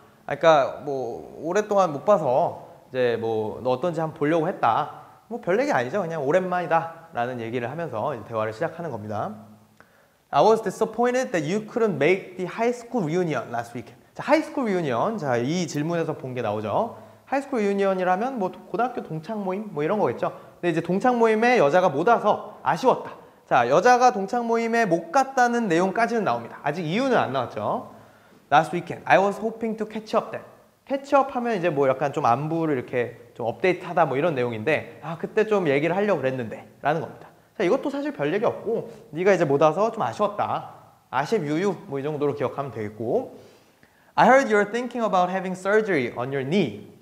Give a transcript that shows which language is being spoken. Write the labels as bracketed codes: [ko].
[ko] 그러니까 뭐 오랫동안 못 봐서 이제 뭐 너 어떤지 한번 보려고 했다. 뭐 별 얘기 아니죠. 그냥 오랜만이다 라는 얘기를 하면서 이제 대화를 시작하는 겁니다. [en] I was disappointed that you couldn't make the high school reunion last weekend. [ko] 하이스쿨 리유니언, 자, 이 질문에서 본 게 나오죠. 하이스쿨 리유니언이라면 뭐 고등학교 동창 모임 뭐 이런 거겠죠. 근데 이제 동창 모임에 여자가 못 와서 아쉬웠다. 자, 여자가 동창 모임에 못 갔다는 내용까지는 나옵니다. 아직 이유는 안 나왔죠. [en] Last weekend, I was hoping to catch up then. [ko] Catch up 하면 이제 뭐 약간 좀 안부를 이렇게 좀 업데이트하다 뭐 이런 내용인데 아, 그때 좀 얘기를 하려고 그랬는데 라는 겁니다. 자, 이것도 사실 별 얘기 없고 네가 이제 못 와서 좀 아쉬웠다. 아쉽유유 뭐 이 정도로 기억하면 되겠고 [en] I heard you're thinking about having surgery on your knee.